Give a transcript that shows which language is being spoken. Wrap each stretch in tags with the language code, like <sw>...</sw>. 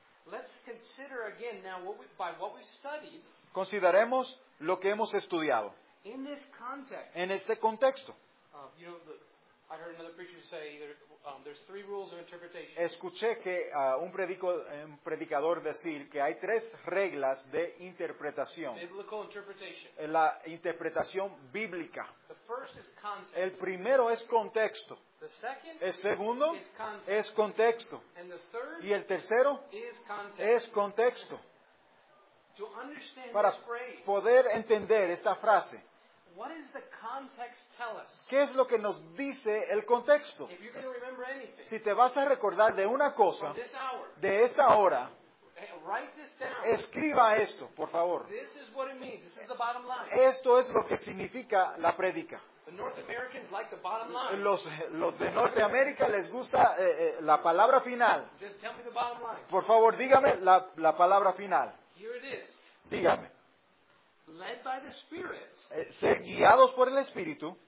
<en>let's consider again now what we, by what we've studied,</en> <es>consideremos lo que hemos estudiado.</es> <en>In this context,</en> <es>en este contexto,</es> <en>you know, I heard another preacher say there's three rules of interpretation.</en> <es>Escuché que un predicador decir que hay tres reglas de interpretación.</es> <en>Biblical interpretation.</en> <es>La interpretación bíblica.</es> <en>The first is context.</en> <es>El primero es contexto.</es> <en>The second,</en> <es>el segundo,</es> <en>is context.</en> <es>Es contexto.</es> <en>And the third,</en> <es>y el tercero,</es> <en>is context.</en> <es>Es contexto.</es> <en>To understand</en> <es>para</es> <en>this phrase,</en> <es>poder entender esta frase,</es> <en>what is the context tell us?</en> <es>¿Qué es lo que nos dice el contexto?</es> <en>If you can remember anything,</en> <es>si te vas a recordar de una cosa,</es> <en>from this hour,</en> <es>de esta hora,</es> <en>write this down.</en> <es>Escriba esto, por favor.</es> <en>This is what it means. This is the bottom line.</en> <es>Esto es lo que significa la prédica.</es> <en>The North Americans like the bottom line.</en> <es>Los de Norteamérica les gusta la palabra final.</es> <en>Just tell me the bottom line.</en> <es>Por favor, dígame la palabra final.</es> <en>Here it is.</en> <es>Dígame.</es> <en>Led by the Spirit.</en> <es>Ser guiados por el Espíritu.</es>